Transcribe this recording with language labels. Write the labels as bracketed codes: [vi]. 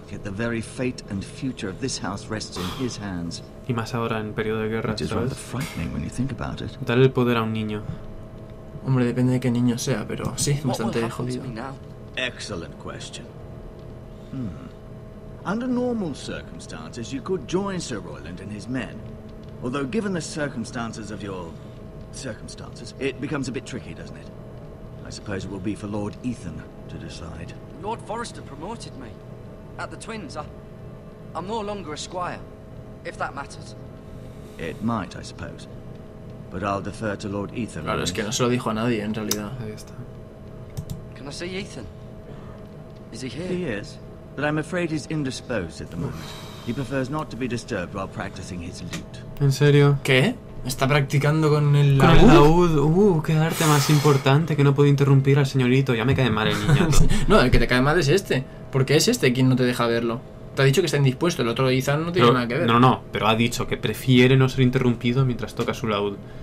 [en] Yet the very fate and future of this house rests in his hands. [es] Y más ahora en periodo de guerra. [en] Which is rather frightening when you think about it. [es] Dar el poder a un niño. Hombre, depende de qué niño sea, pero sí, bastante jodido. [en] Excellent question. Under normal circumstances, you could join Sir Roiland and his men. Although, given the circumstances of your circumstances, it becomes a bit tricky, doesn't it? I suppose it will be for Lord Ethan to decide. Lord Forrester promoted me. At the Twins, I'm no longer a squire, if that matters. It might, I suppose. But I'll defer to Lord Ethan. [es] Claro, es que no se lo dijo a nadie, en realidad. Ahí está. [en] Can I see Ethan? Is he here? He is, but I'm afraid he's indisposed at the moment. He prefers not to be disturbed while practicing his lute. [es] ¿En serio? ¿Qué? Está practicando con el laúd. Qué arte más importante, que no puedo interrumpir al señorito. Ya me cae mal el niñato. No, el que te cae mal es este. ¿Por qué es este quien no te deja verlo? Te ha dicho que está indispuesto, el otro quizás no tiene nada que ver. No, no, pero ha dicho que prefiere no ser interrumpido mientras toca su laúd.